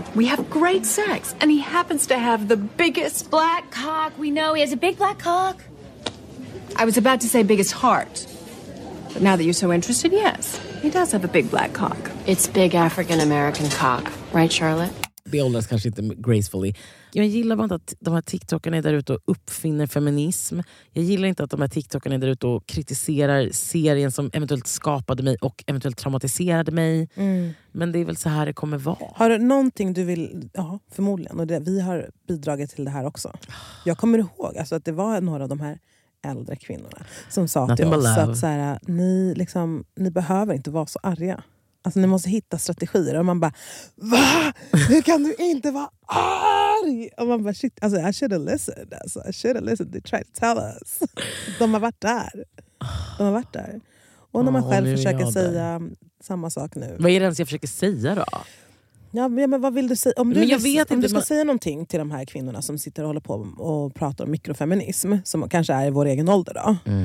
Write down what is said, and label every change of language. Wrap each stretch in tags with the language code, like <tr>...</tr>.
<en>We have great sex, and he happens to have the biggest black cock. We know he has a big black cock. I was about to say biggest heart. But now that you're so interested, yes, he does have a big black cock. It's big African-American cock. Right, Charlotte?</en> <sv>Beåldras kanske inte</sv> <en>gracefully.</en> <sv>Jag gillar bara inte att de här TikTokarna är där ute och uppfinner feminism. Jag gillar inte att de här TikTokarna är där ute och kritiserar serien som eventuellt skapade mig och eventuellt traumatiserade mig. Mm. Men det är väl så här det kommer vara. Har du någonting du vill... Ja, förmodligen. Och det, vi har bidragit till det här också. Jag kommer ihåg alltså, att det var några av de här äldre kvinnorna som sa till oss att så här, ni, liksom, ni behöver inte vara så arga. Alltså ni måste hitta strategier. Och man bara, va? Hur kan du inte vara arg? Och man bara, shit, alltså,</sv> <en>I should have listened.</en> <sv>Alltså, I should have listened.</sv> <en>They tried to tell us.</en> <sv>De har varit där. De har varit där. Och när man själv försöker säga samma sak nu. Vad är det ens jag försöker säga då? Ja, men vad vill du säga? Om du, men jag vet inte, om du ska säga någonting till de här kvinnorna som sitter och håller på och pratar om mikrofeminism, som kanske är i vår egen ålder då.</sv>